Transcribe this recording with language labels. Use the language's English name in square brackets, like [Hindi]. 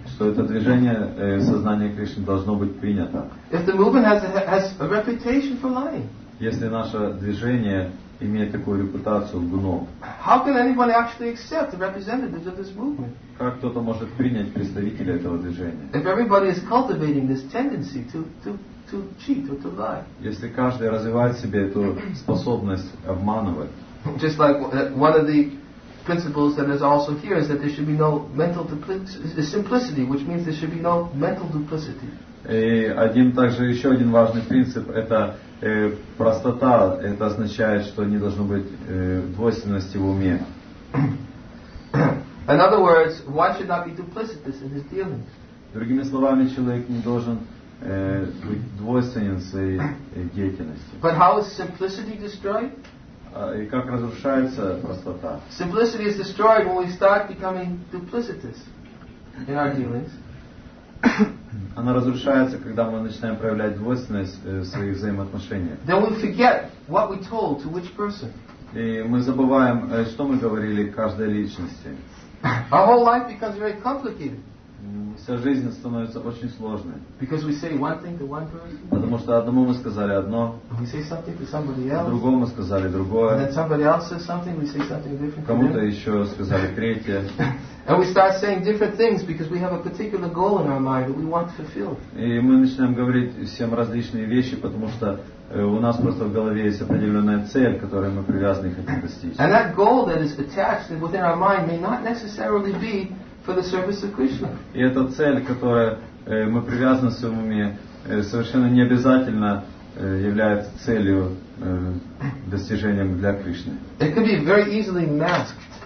[Russian] Что это движение сознания Кришны должно быть принято. [English] If the movement has a reputation for lying. [Russian] Если наше движение имеет такую репутацию лгунов. [English] How can anybody actually accept the representatives of this movement? [Russian] Как кто-то может принять представителя этого движения? [English] If everybody is cultivating this tendency to cheat or to lie. [Russian] Если каждый развивает в себе эту способность обманывать. [English] Just like one of the principles that is also here is that there should be no mental simplicity, which means there should be no mental duplicity. [Russian] И один также еще один важный принцип это простота. Это означает, что не должно быть двойственности в уме. [English] In other words, one should not be duplicitous in his dealings. [Russian] Другими словами, человек не должен двойственности деятельности. [English] But how is simplicity destroyed? [Russian] И как разрушается простота? [English] Simplicity is destroyed when we start becoming duplicitous in our dealings. [Russian] Она разрушается, когда мы начинаем проявлять двойственность в своих взаимоотношениях. [English] Then we forget what we told to which person. [Russian] И мы забываем, что мы говорили каждой личности. [English] Our whole life becomes very complicated. [Russian] Вся жизнь становится очень сложной. [English] Because we say one thing to one person. [Russian] Потому что одному мы сказали одно. [English] We say something to somebody else. [Russian] Другому мы сказали другое. [English] And then somebody else says something, we say something different. [Russian] Кому-то еще сказали третье. [English] And we start saying different things because we have a particular goal in our mind that we want to fulfill. [Russian] И мы начинаем говорить всем различные вещи, потому что у нас просто в голове есть определенная цель, которой мы привязаны и хотим достичь. [English] And that goal that is attached within our mind may not necessarily be for the service of Krishna. [Russian] И эта цель, которая мы привязаны в своем уме, совершенно не обязательно является целью достижением для Кришны. [English] It could be very easily masked.